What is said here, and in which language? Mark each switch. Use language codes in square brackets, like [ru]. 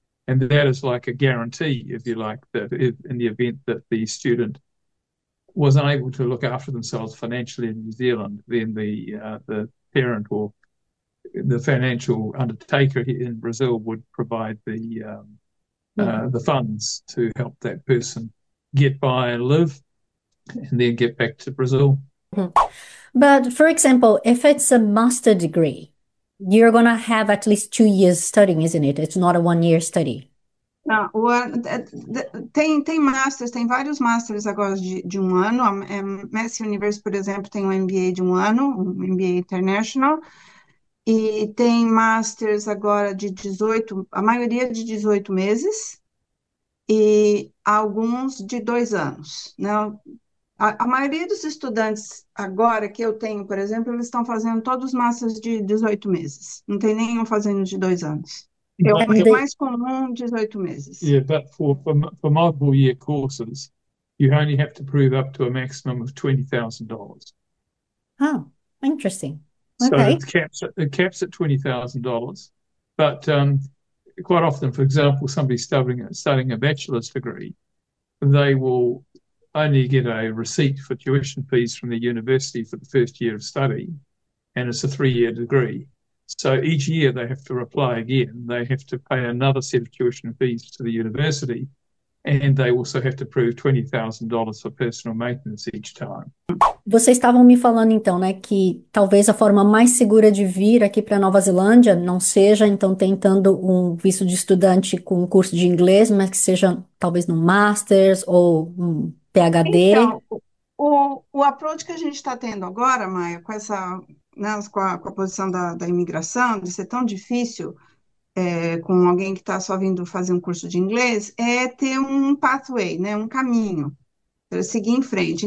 [en] And that is like a guarantee, if you like, that if, in the event that the student was unable to look after themselves financially in New Zealand, then the parent or the financial undertaker in Brazil would provide the funds to help that person get by and live and then get back to Brazil. But for example, if it's a master degree, you're going to have at least 2 years studying, isn't it? It's not a 1 year study. [pt] Ah, tem masters, tem vários masters agora de 1 ano. A Massey University, por exemplo, tem um MBA de 1 ano, um MBA International, e tem masters agora de 18, a maioria de 18 meses, e alguns de 2 anos, né? A maioria dos estudantes agora que eu tenho, por exemplo, eles estão fazendo todos os masters de 18 meses, não tem nenhum fazendo de 2 anos. É o mais comum, 18 meses. [en] But for multiple year courses, you only have to prove up to a maximum of $20,000. Oh, interesting. So Okay. it caps at $20,000. But quite often, for example, somebody studying a bachelor's degree, they will only get a receipt for tuition fees from the university for the first year of study, and it's a 3-year degree. So each year they have to apply again. They have to pay another set of tuition fees to the university, and they also have to prove $20,000 for personal maintenance each time. [pt] Vocês estavam me falando então, né, que talvez a forma mais segura de vir aqui para Nova Zelândia não seja então tentando um visto de estudante com um curso de inglês, mas que seja talvez no Masters ou um PhD. Então, o approach que a gente está tendo agora, Maia, com essa, né, com a posição da imigração, de ser tão difícil, com alguém que está só vindo fazer um curso de inglês, é ter um pathway, né, um caminho para seguir em frente.